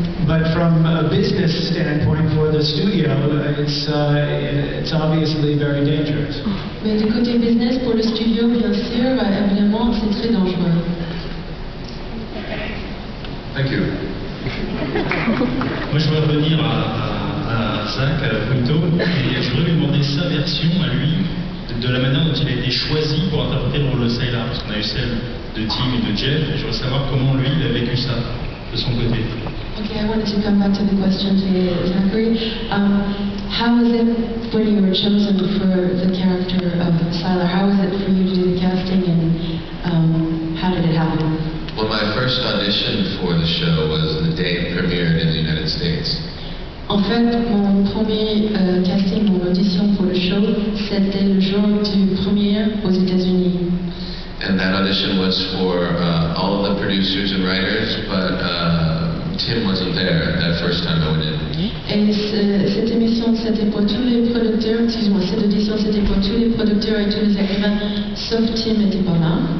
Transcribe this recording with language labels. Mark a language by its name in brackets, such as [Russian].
[English] But from a business standpoint for the studio, it's obviously very dangerous. [French] Mais du côté business pour le studio, bien sûr, évidemment, c'est très dangereux. [English] Thank you. [French] Moi, je veux revenir à Zach plutôt, et je voudrais lui demander sa version à lui de la manière dont il a été choisi pour interpréter le rôle de Sailor, parce qu'on a eu celle de Tim et de Jeff, et je voudrais savoir comment lui il a vécu ça de son côté. [English] Ok, I wanted to come back to the question to Zachary. How was it when you were chosen for the character of Sailor? How was it for you to do the casting and how did it happen? Well, my first audition for the show was the day it premiered in the United States. [French] En fait, mon premier casting, mon audition pour le show, c'était le jour du premier aux États-Unis. [English] And that audition was for all of the producers and writers, but Tim wasn't there that first time I went in. [French] Et cette émission, c'était pour tous les producteurs, excuse-moi, cette audition, c'était pour tous les producteurs et tous les écrivains, sauf Tim n'était pas là.